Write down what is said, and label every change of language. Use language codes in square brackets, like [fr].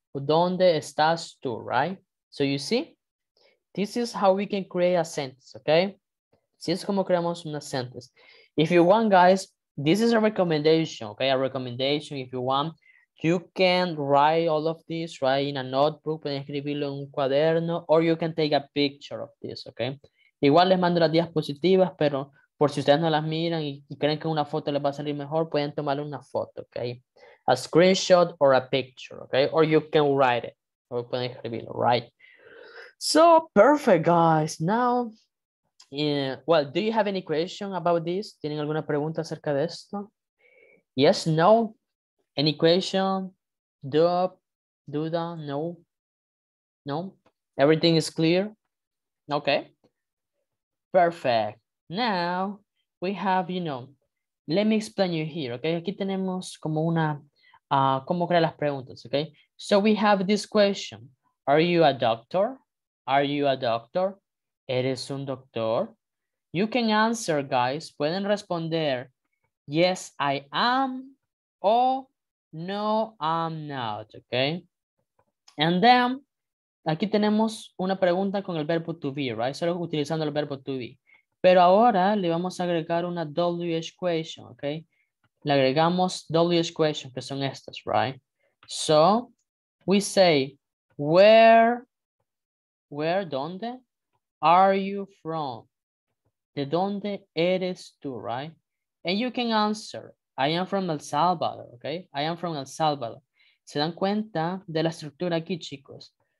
[es] ¿Dónde estás tú, [en] right? So you see? This is how we can create a sentence, okay? [es] Así es como creamos una [en] sentence. If you want, guys, this is a recommendation, okay? A recommendation, if you want, you can write all of this, right? In a notebook, [es] pueden escribirlo en un cuaderno, [en] or you can take a picture of this, okay? [es] Igual les mando las diapositivas, pero por si ustedes no las miran y creen que una foto les va a salir mejor, pueden tomarle una foto, okay? [en] A screenshot or a picture, okay? Or you can write it, [es] o pueden escribirlo, [en] right? So perfect, guys. Now, well, do you have any question about this? [es] ¿Tienen alguna pregunta acerca de esto? [en] Yes, no. Any question? Duda? No. No. Everything is clear. Okay. Perfect. Now we have, you know, let me explain you here. Okay. [es] Aquí tenemos como una, cómo crear las preguntas. [en] Okay. So we have this question. Are you a doctor? Are you a doctor? [es] ¿Eres un doctor? [en] You can answer, guys. [es] Pueden responder, [en] yes, I am, or no, I'm not, [es] okay? [en] And then, [es] aquí tenemos una pregunta con el verbo to be, right? Solo utilizando el verbo to be. Pero ahora le vamos a agregar una W equation, okay? Le agregamos W equation, que son estas, right? [en] So, we say, Where, dónde, are you from? [es] De dónde eres tú, [en] right? And you can answer, I am from El Salvador, okay? I am from El Salvador. [es] ¿Se dan cuenta de la estructura aquí, chicos?